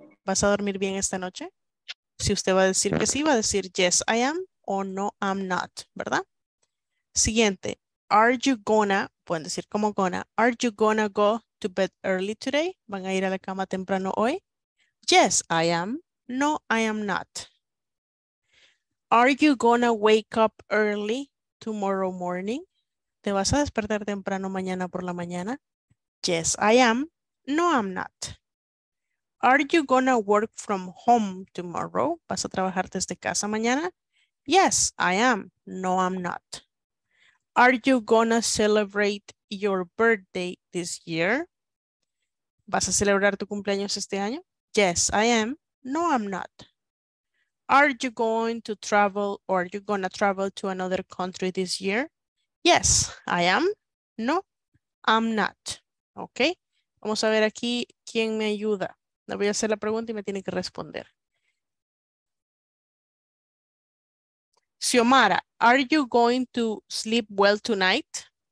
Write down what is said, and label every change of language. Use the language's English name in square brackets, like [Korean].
[Spanish] ¿Vas a dormir bien esta noche? Si usted va a decir que sí, va a decir [English] yes I am [Spanish] o [English] no I'm not, [Spanish] ¿verdad? Siguiente. [English] Are you gonna, [Spanish] pueden decir como [English] gonna, are you gonna go to bed early today? [Spanish] ¿Van a ir a la cama temprano hoy? [English] Yes I am. No I am not. Are you gonna wake up early tomorrow morning? [Spanish] ¿Te vas a despertar temprano mañana por la mañana? [English] Yes, I am. No, I'm not. Are you gonna work from home tomorrow? [Spanish] ¿Vas a trabajar desde casa mañana? [English] Yes, I am. No, I'm not. Are you gonna celebrate your birthday this year? [Spanish] ¿Vas a celebrar tu cumpleaños este año? [English] Yes, I am. No, I'm not. Are you going to travel or are you gonna travel to another country this year? Yes, I am. No, I'm not. Ok. [Spanish] Vamos a ver aquí quién me ayuda. Le voy a hacer la pregunta y me tiene que responder. [English] Xiomara, are you going to sleep well tonight?